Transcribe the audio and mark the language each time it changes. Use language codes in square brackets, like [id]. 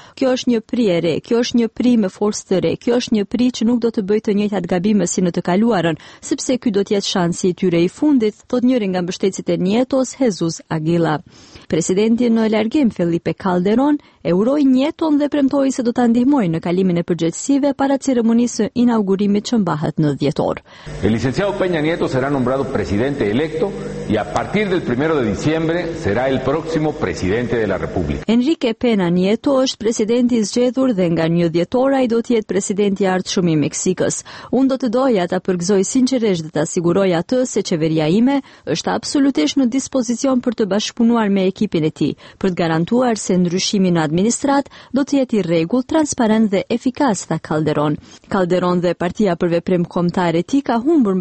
[sq] Kjo është një PRI e re, kjo është një PRI me forcë të re, kjo është një PRI që nuk do të bëjë të njëjtat gabime si në të kaluarën, sepse ky do të jetë shansi i tyre i fundit, thot njëri nga mbështetësit e Nietos, Jesus Aguila. Presidenti në largim Felipe Calderon e uroi Nieton dhe premtoi se do ta ndihmojë në kalimin e përgjegjësive para ceremonisë inaugurimit që mbahet në dhjetor. [es] Licenciado Peña Nieto será nombrado presidente electo y a partir del 1 de diciembre será el próximo presidente de la República. [sq] Enrique Peña Nieto është presidenti i zgjedhur dhe nga 1 dhjetor ai do të jetë presidenti i ardhshëm i Meksikës. Unë do të doja ta përgëzoj sinqerisht dhe ta siguroj atë se qeveria ime është absolutisht në dispozicion për të bashkëpunuar me ekipin e tij, për të garantuar se ndryshimi në administratë do të jetë i rregullt, transparent dhe efikas, tha Calderon. Calderon dhe Partia për Veprim Kombëtar e tij ka humbur